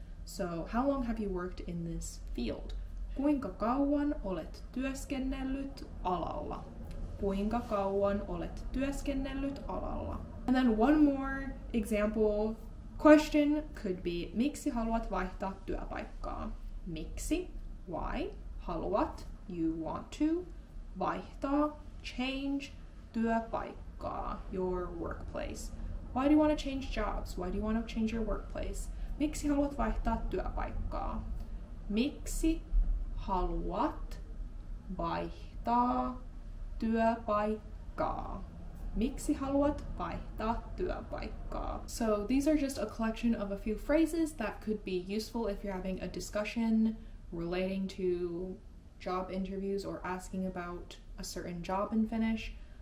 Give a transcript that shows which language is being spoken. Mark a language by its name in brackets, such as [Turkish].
[English] So, how long have you worked in this field? [Finnish] Kuinka kauan olet työskennellyt alalla? Kuinka kauan olet työskennellyt alalla? [English] And then one more example question could be, [Finnish] miksi haluat vaihtaa työpaikkaa? Miksi? [English] Why? [Finnish] Haluat? [English] You want to? [Finnish] Vaihtaa? [English] Change? [Finnish] Työpaikkaa? [English] Your workplace. Why do you want to change jobs? Why do you want to change your workplace? [Finnish] Miksi haluat vaihtaa työpaikkaa? Miksi haluat vaihtaa työpaikkaa? Miksi haluat vaihtaa työpaikkaa? [English] So these are just a collection of a few phrases that could be useful if you're having a discussion relating to job interviews or asking about a certain job in Finnish.